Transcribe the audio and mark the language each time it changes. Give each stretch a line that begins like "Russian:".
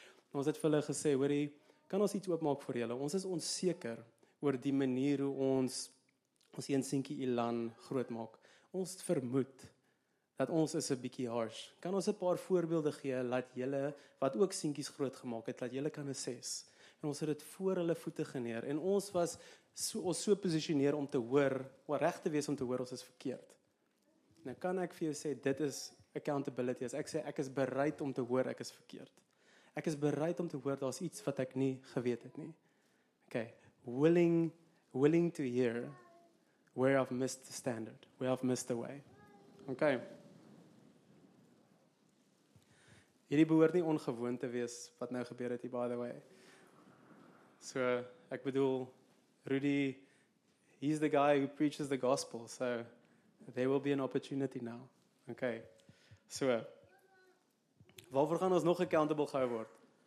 Afrikaans: Ons het vir hulle gesê, hoorie, kan ons iets oopmaak vir julle? Ons is onseker oor die manier hoe ons seentjie Ilan grootmaak. ons vermoed dat ons is 'n bietjie harsh. Kan ons 'n paar voorbeelde gee laat julle wat ook seentjies groot gemaak het, laat julle kan assess. En ons het dit voor hulle voete geneer en ons was so, ons so positioneer om te hoor, om reg te wees om te hoor ons is verkeerd. Nou kan ek vir jou sê dit is accountability. As ek sê ek is bereid om te hoor ek is verkeerd. Ek is bereid om te hoor daar's iets wat ek nie geweet het nie.
English: Okay, willing to hear where I've missed the standard, where I've missed the way. Okay.
Afrikaans: Hierdie behoort nie ongewoon te wees wat nou gebeur het hier,
English: by the way. So,
Afrikaans: ek bedoel,
English: Rudy, he's the guy who preaches the gospel, so there will be an opportunity now. Okay.
Afrikaans: So, waarvoor gaan ons nog accountable gehou word?